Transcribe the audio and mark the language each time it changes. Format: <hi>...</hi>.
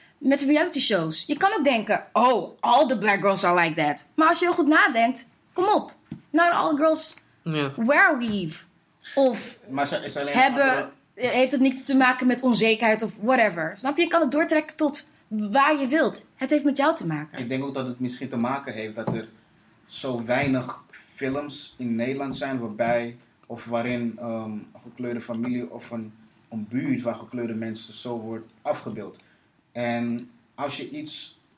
<nl>Met reality shows. Je kan ook denken, oh,</nl> <en>all the black girls are like that.</en> <nl>Maar als je heel goed nadenkt, kom op.</nl> <en>Not all girls wear weave.</en> <nl>Of maar ze is alleen hebben, andere, heeft het niet te maken met onzekerheid of whatever. Snap je? Je kan het doortrekken tot waar je wilt. Het heeft met jou te maken. Ik denk ook dat het misschien te maken heeft dat er zo weinig films in Nederland zijn waarbij of waarin een gekleurde familie of een buurt waar gekleurde mensen zo wordt afgebeeld. En als je iets</nl>